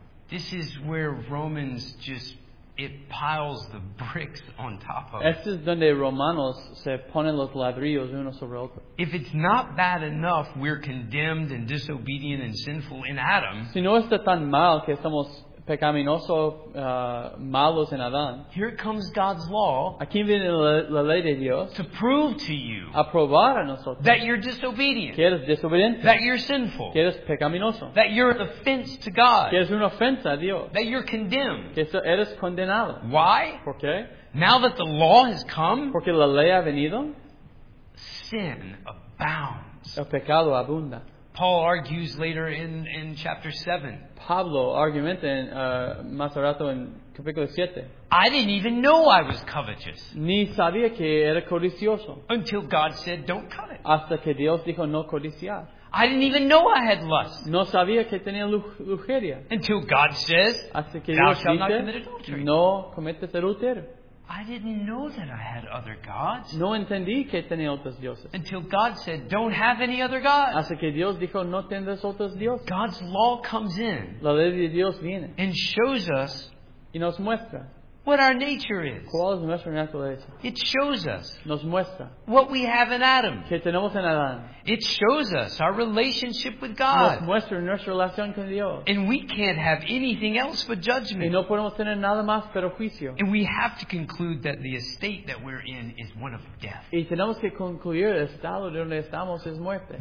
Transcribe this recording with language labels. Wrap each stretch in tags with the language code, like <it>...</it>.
<en>This is where Romans just, it piles the bricks on top of.</en> <es>Este es donde Romanos se ponen los ladrillos uno sobre otro.</es> <en>If it's not bad enough, we're condemned and disobedient and sinful in Adam.</en> <es>Si no está tan mal que estamos pecaminosos, malos en Adán.</es> <en>Here comes God's law.</en> <es>Aquí viene la ley de Dios.</es> <en>To prove to you.</en> <es>A probar a nosotros.</es> <en>That you're disobedient.</en> <es>Que eres desobediente.</es> <en>That you're sinful.</en> <es>Que eres pecaminoso.</es> <en>That you're an offense to God.</en> <es>Que eres una ofensa a Dios.</es> <en>That you're condemned.</en> <es>Que eres condenado.</es> <en>Why?</en> <es>¿Por qué?</es> <en>Now that the law has come.</en> <es>Porque la ley ha venido.</es> <en>sin abounds.</en> <es>El pecado abunda.</es> <en>Paul argues later in chapter 7.</en> <es>Pablo argumenta más rato en capítulo 7.</es> <en>I didn't even know I was covetous.</en> <es>Ni sabía que era codicioso.</es> <en>Until God said, don't covet.</en> <es>Hasta que Dios dijo, no codiciar.</es> <en>I didn't even know I had lust.</en> <es>No sabía que tenía lujuria.</es> <en>Until God says,</en> <es>hasta que</es> <en>thou</en> <es>Dios</es> <en>shalt not commit adultery.</en> <es>No cometes adulterio.</es> <en>I didn't know that I had other gods.</en> <es>No entendí que tenía otros dioses.</es> <en>Until God said, don't have any other gods.</en> <es>Hasta que Dios dijo, no tendrás otros dioses.</es> <en>God's law comes in.</en> <es>La ley de Dios viene.</es> <en>And shows us.</en> <es>Y nos muestra.</es> <en>What our nature is.</en> <es>¿Cuál es nuestra naturaleza?</es> <en>It shows us.</en> <es>Nos muestra.</es> <en>What we have in Adam.</en> <es>Que tenemos en Adán.</es> <en>It shows us our relationship with God.</en> <es>Nos muestra nuestra relación con Dios.</es> <en>And we can't have anything else but judgment.</en> <es>Y no podemos tener nada más pero juicio.</es> <en>And we have to conclude that the estate that we're in is one of death.</en> <es>Y tenemos que concluir el estado donde estamos es muerte.</es>